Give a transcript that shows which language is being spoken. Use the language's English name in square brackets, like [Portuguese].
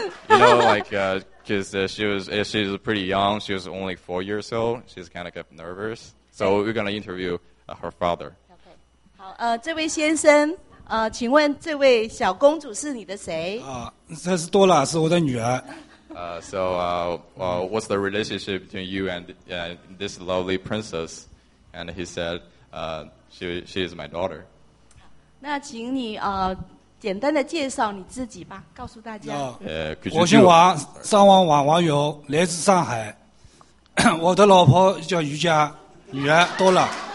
[English] You know, like, because she's pretty young. She was only 4 years old. She's kind of kept nervous. So we're gonna interview her father. [Chinese] Okay. 好，这位先生。请问这位小公主是你的谁？这是多拉，是我的女儿。 [English] What's the relationship between you and this lovely princess? And he said, she is my daughter. [Chinese] 那请你简单的介绍你自己吧，告诉大家。我姓王，上王王王友，来自上海。我的老婆叫瑜伽，女儿多拉。